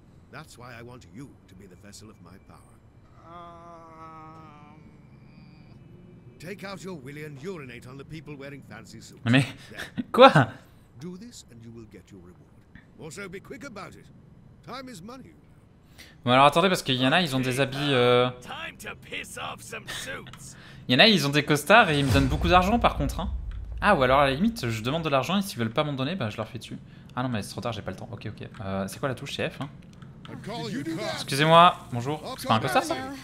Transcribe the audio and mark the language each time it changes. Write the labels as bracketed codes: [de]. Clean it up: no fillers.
[en] That's why I want you to be the vessel of my power. Take out your willy and urinate on the people wearing fancy suits. [fr] Mais quoi? [en] Do this and you will get your reward. Also be quick about it. Time is money. [fr] Bon alors attendez parce qu'il y en a, ils ont des habits [en] Time to piss off some suits. [fr] Il y en a, ils ont des costards et ils me donnent beaucoup d'argent par contre hein. Ah ou alors à la limite, je demande de l'argent et s'ils veulent pas m'en donner, bah je leur fais dessus. Ah non mais c'est trop tard, j'ai pas le temps. OK OK. C'est quoi la touche, c'est F hein? Excusez-moi, bonjour, c'est pas un costard ça?